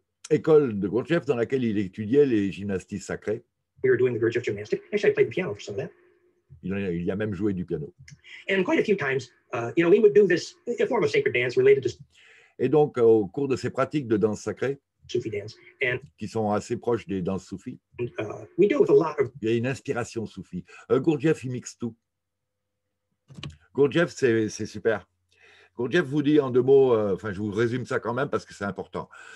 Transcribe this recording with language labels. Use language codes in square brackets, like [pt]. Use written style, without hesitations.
[fr] École de Gurdjieff dans laquelle il étudiait les gymnasties sacrées. [en] We were doing the Gurdjieff gymnastics. Actually, I played the piano for some of that. [fr] Il y a même joué du piano. [en] And quite a few times, you know, we would do this a form of sacred dance related to. [fr] Et donc, au cours de ces pratiques de danse sacrée, [en] Sufi dance, [fr] and qui sont assez proches des danses soufis, [en] we do with a lot of. [fr] Il y a une inspiration soufi. Gurdjieff, il mixe tout. Gurdjieff, c'est super. Gurdjieff vous dit en deux mots, enfin, je vous résume ça quand même parce que c'est important.